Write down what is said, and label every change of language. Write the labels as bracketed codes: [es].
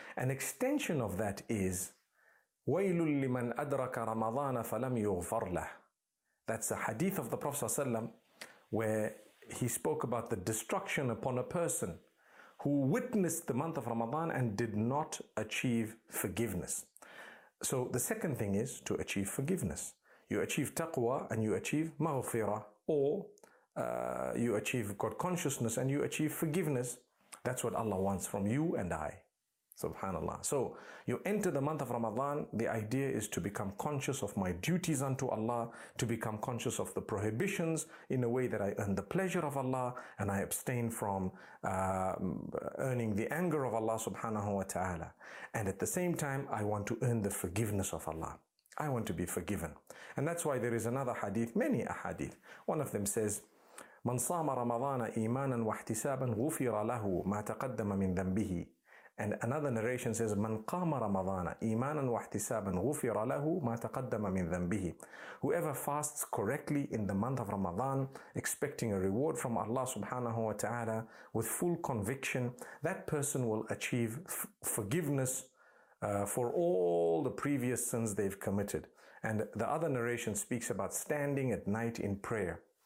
[en] An extension of that is, [ar] وَيْلٌ لِّمَنْ أَدْرَكَ رَمَضَانَ فَلَمْ يُغْفَرْ لَهُ. [en] That's a hadith of the Prophet ﷺ where he spoke about the destruction upon a person who witnessed the month of Ramadan and did not achieve forgiveness. So the second thing is to achieve forgiveness. You achieve taqwa and you achieve maghfirah, or you achieve God consciousness and you achieve forgiveness. That's what Allah wants from you and I. Subhanallah. So you enter the month of Ramadan, the idea is to become conscious of my duties unto Allah, to become conscious of the prohibitions in a way that I earn the pleasure of Allah and I abstain from earning the anger of Allah subhanahu wa ta'ala. And at the same time, I want to earn the forgiveness of Allah. I want to be forgiven. And that's why there is another hadith, many ahadith. One of them says, [ar] مَنْ صَامَ رَمَضَانَ إِيمَانًا وَاحْتِسَابًا غُفِرَ لَهُ مَا تَقَدَّمَ مِنْ ذَنْبِهِ. [en] And another narration says, [ar] مَنْ قَامَ رَمَضَانَ إِيمَانًا وَاحْتِسَابًا غُفِرَ لَهُ مَا تَقَدَّمَ مِنْ ذَنْبِهِ. [en] Whoever fasts correctly in the month of Ramadan, expecting a reward from Allah subhanahu wa ta'ala, with full conviction, that person will achieve forgiveness for all the previous sins they've committed. And the other narration speaks about standing at night in prayer.